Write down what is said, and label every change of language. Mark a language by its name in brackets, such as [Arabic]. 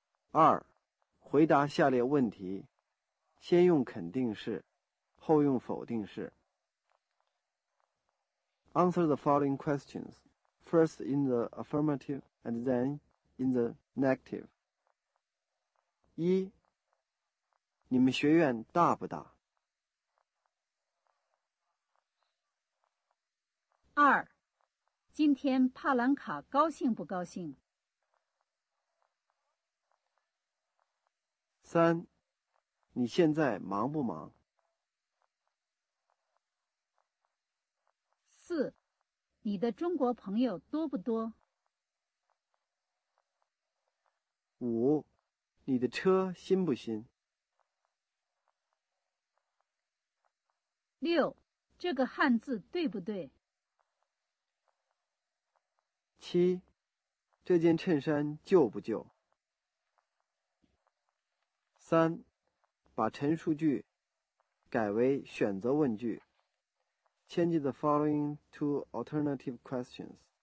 [Chinese] 二，回答下列问题，先用肯定式，后用否定式。 [English] Answer the following questions, first in the affirmative and then in the negative. [Chinese] 一，你们学院大不大？二，今天帕兰卡高兴不高兴？三，你现在忙不忙？四，你的中国朋友多不多？五，你的车新不新？六，这个汉字对不对？七，这件衬衫旧不旧？三，把陈述句改为选择问句。 [English] Change the following two alternative questions.